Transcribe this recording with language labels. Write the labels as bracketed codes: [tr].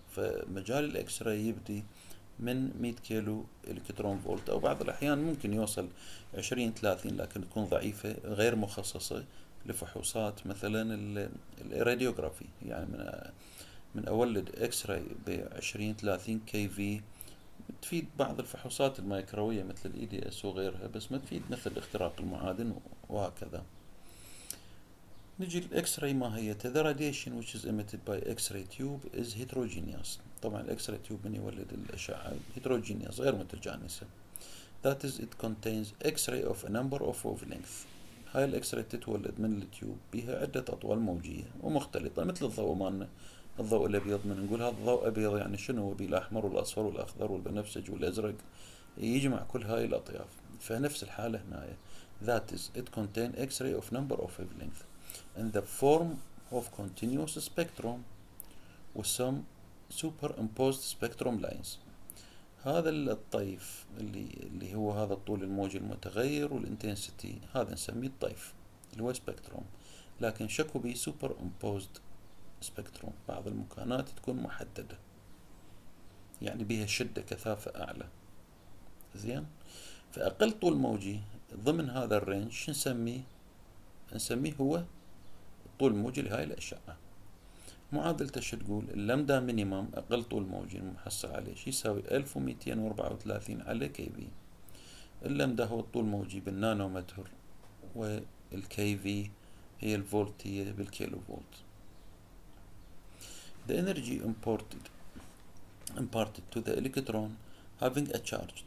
[ar] فمجال الإكس راي يبدي من 100 كيلو إلكترون فولت، أو بعض الأحيان ممكن يوصل 20 30، لكن تكون ضعيفة غير مخصصة لفحوصات مثلا الراديوغرافي. يعني من أولد إكس راي ب 20 30 كي في، تفيد بعض الفحوصات الميكروية مثل الإي دي إس وغيرها، بس ما تفيد مثل اختراق المعادن وهكذا. نجي الإكس راي ما هي؟ [en] The radiation which is emitted by X-ray tube is heterogeneous. [ar] طبعا الإكس راي تيوب من يولد الأشعة heterogeneous، غير متجانسة. [en] That is it contains X-ray of a number of wavelength. [ar] هاي الإكس راي تتولد من التيوب بها عدة أطوال موجية ومختلطة، مثل الضوء مالنا، الضوء الأبيض. من نقول هذا الضوء أبيض يعني شنو؟ هو بالأحمر والأصفر والأخضر والبنفسج والأزرق، يجمع كل هاي الأطياف. فنفس الحالة هنا، [en] That is it contains X-ray of number of wavelength in the form of continuous spectrum with some superimposed spectrum lines. [ar] هذا الطيف اللي هو هذا الطول الموج المتغير والانتنسيتي، هذا نسميه الطيف اللي هو سبكتروم، لكن شكو بيه [en] superimposed spectrum, [ar] بعض المكانات تكون محددة يعني بها شدة كثافة أعلى. زين، فأقل طول موجي ضمن هذا الرينج شو نسميه؟ نسميه هو طول موجي لهاي الأشعة. معادلته شو تقول؟ اللمدا مينيمم أقل طول موجي محصل عليه شو يساوي؟ 1234 على كي في. اللمدا هو الطول الموجي بالنانومتر، والكي في هي الفولتية بالكيلو فولت. [en] The energy imparted to the electron having a charge.